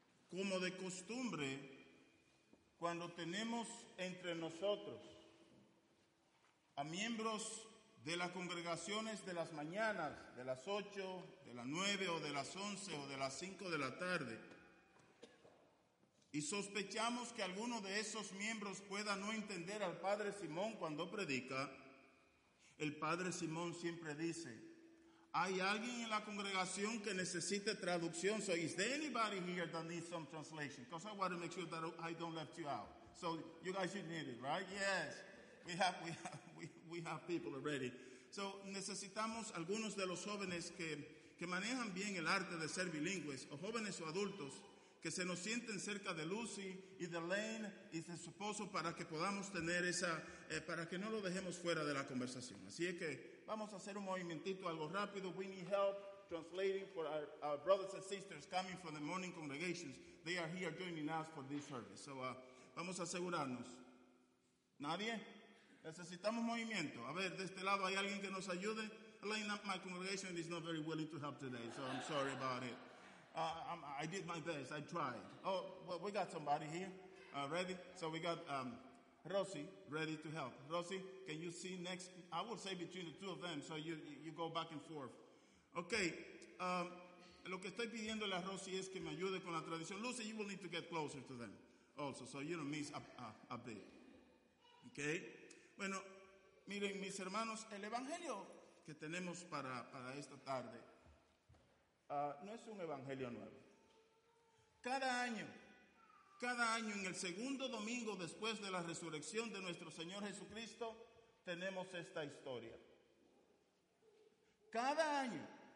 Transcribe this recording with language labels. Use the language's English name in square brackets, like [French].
[Spanish] Como de costumbre, cuando tenemos entre nosotros a miembros de las congregaciones de las mañanas, de las 8, de las 9 o de las 11 o de las 5 de la tarde, y sospechamos que alguno de esos miembros pueda no entender al Padre Simón cuando predica, el Padre Simón siempre dice: ¿hay alguien en la congregación que necesite traducción? [English] So, is there anybody here that needs some translation? Because I want to make sure that I don't left you out. So, you guys should need it, right? Yes. We have people already. [Spanish] So, necesitamos algunos de los jóvenes que manejan bien el arte de ser bilingües, o jóvenes o adultos, que se nos sienten cerca de Lucy y de Lane y de su esposo para que podamos tener esa, para que no lo dejemos fuera de la conversación. Así es que vamos a hacer un movimentito algo rápido. [English] We need help translating for our brothers and sisters coming from the morning congregations. They are here joining us for this service. [Spanish] So vamos a asegurarnos. ¿Nadie? Necesitamos movimiento. A ver, de este lado, ¿hay alguien que nos ayude? [English] Lane, my congregation is not very willing to help today, so I'm sorry about it. I did my best. I tried. Oh, well, we got somebody here. Ready? So we got Rosie ready to help. Rosie, can you see next? I will say between the two of them, so you go back and forth. Okay. [Spanish] Lo que estoy pidiéndole a Rosie es que me ayude con la traducción. [English] Lucy, you will need to get closer to them also, so you don't miss a bit. Okay? [Spanish] Bueno, miren, mis hermanos, el evangelio que tenemos para esta tarde no es un evangelio nuevo. Cada año, en el segundo domingo después de la resurrección de nuestro Señor Jesucristo, tenemos esta historia. Cada año.